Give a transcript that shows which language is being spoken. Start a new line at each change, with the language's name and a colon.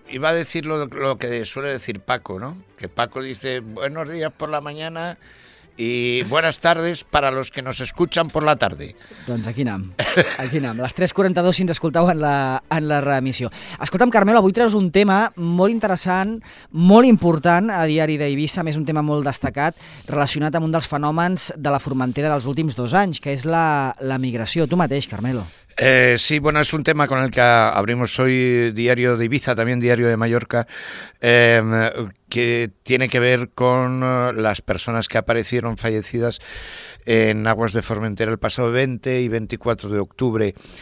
Spanish: Iba a decir lo que suele decir Paco, ¿no? Que Paco dice buenos días por la mañana y buenas tardes para los que nos escuchan por la tarde.
Catalan: Doncs aquí anem, aquí anem. Les 3:42 si ens escoltau en la reemissió. Escolta'm, Carmelo, avui treus un tema molt interessant, molt important a Diari d'Eivissa, més un tema molt destacat relacionat amb un dels fenòmens de la Formentera dels últims dos anys, que és la migració. Tu mateix, Carmelo.
Spanish: Sí, bueno, es un tema con el que abrimos hoy Diario de Ibiza, también Diario de Mallorca, que tiene que ver con las personas que aparecieron fallecidas en aguas de Formentera el pasado 20 y 24 de octubre.